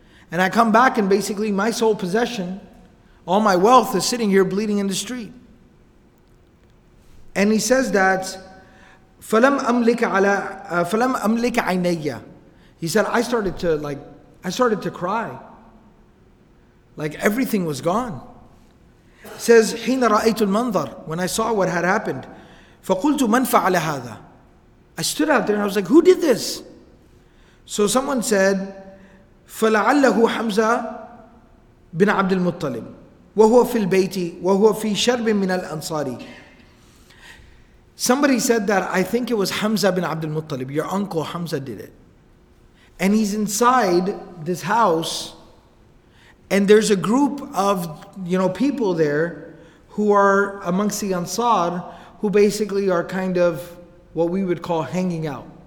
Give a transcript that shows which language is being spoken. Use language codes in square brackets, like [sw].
[en] And I come back and basically my sole possession, all my wealth, is sitting here bleeding in the street. And he says that, [ar] فَلَمْ أَمْلِكَ عَيْنَيَّ. [en] He said, I started to cry. Like everything was gone. He says, [ar] حِينَ رَأَيْتُ الْمَنْظَرِ. [en] When I saw what had happened, [ar] فَقُلْتُ مَنْ فَعَلَ هَذَا. [en] I stood out there and I was like, who did this? So someone said, [ar] فَلَعَلَّهُ حَمْزَى بِنْ عَبْدِ الْمُطَّلِمِ وَهُوَ فِي الْبَيْتِ وَهُوَ فِي شَرْبٍ مِنَ الْأَنصَارِ. [en] Somebody said that, I think it was Hamza bin Abd al-Muttalib, your uncle Hamza did it. And he's inside this house, and there's a group of, you know, people there who are amongst the Ansar, who basically are kind of what we would call hanging out.